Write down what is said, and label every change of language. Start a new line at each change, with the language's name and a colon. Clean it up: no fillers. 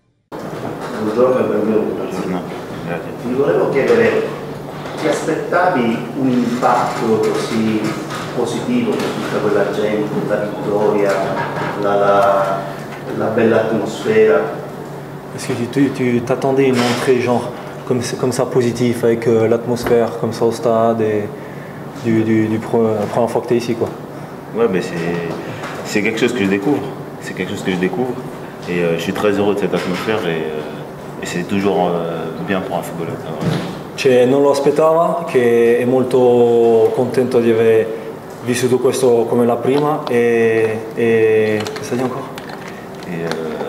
Italian: Buongiorno e benvenuto. Mi volevo chiedere, ti aspettavi un impatto così positivo per tutta quella gente, la vittoria, la bella atmosfera?
French: Est-ce que tu t'attendais une entrée genre comme ça positif avec l'atmosphère comme ça au stade et la première fois que t'es ici quoi? Ouais mais c'est quelque chose que je découvre. C'est quelque chose que je découvre. Et je suis très heureux de cette atmosphère et c'est toujours bien pour un footballeur.
Italian: Cioè non lo aspettava, che è molto contento di aver vissuto questo come la prima e cosa dire ancora?